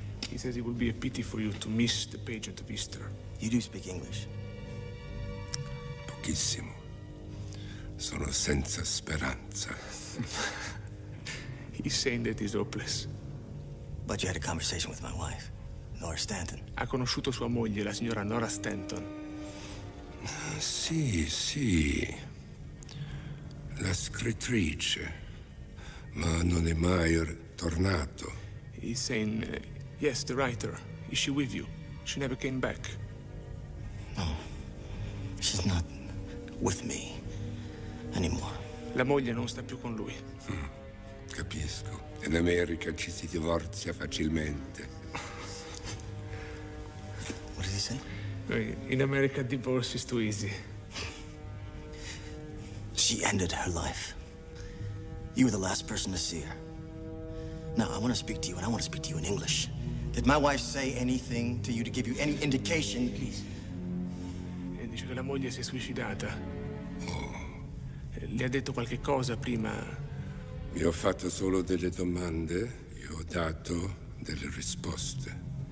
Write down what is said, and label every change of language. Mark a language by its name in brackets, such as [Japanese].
[English] He says it would be a pity for you to miss the pageant of Easter. You do speak English? [Italian] Pochissimo. Sono senza speranza. [English] He's saying that he's hopeless. But you had a conversation with my wife, Nora Stanton. [Italian] Ha conosciuto sua moglie, la signora Nora Stanton. Sì, sì. La scrittrice. Ma non è mai tornato. [English] He's saying, yes, the writer. Is she with you? She never came back. No. She's not with me anymore. [Italian] La moglie non sta più con lui. Capisco. In America ci si divorzia facilmente. [English] What did he say? In America, divorce is too easy. She ended her life. You were the last person to see her. Now, I want to speak to you, and I want to speak to you in English. Did my wife say anything to you to give you any indication? Please. [Italian] E dice che la moglie si è suicidata. Oh. Le ha detto qualche cosa prima. Mi ho fatto solo delle domande e ho dato delle risposte.